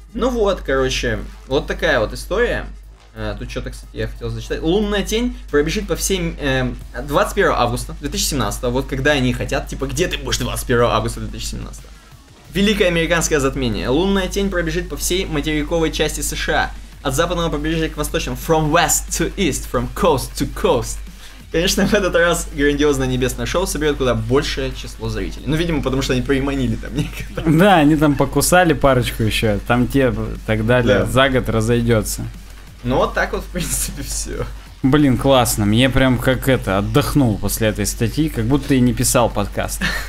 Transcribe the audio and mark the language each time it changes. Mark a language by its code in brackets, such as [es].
[ru] Ну вот, короче, вот такая вот история. Тут что-то, кстати, я хотел зачитать. Лунная тень пробежит по всей... 21 августа 2017, вот когда они хотят. Типа, где ты будешь 21 августа 2017? Великое американское затмение. Лунная тень пробежит по всей материковой части США. От западного побережья к восточному. [en] From west to east, from coast to coast. [ru] Конечно, в этот раз грандиозное небесное шоу соберет куда большее число зрителей. Ну, видимо, потому что они приманили там некоторые. Да, они там покусали парочку еще. Там те так далее, да. За год разойдется. Ну, вот так вот, в принципе, все. Блин, классно. Мне прям как это, отдохнул после этой статьи. Как будто и не писал подкаст.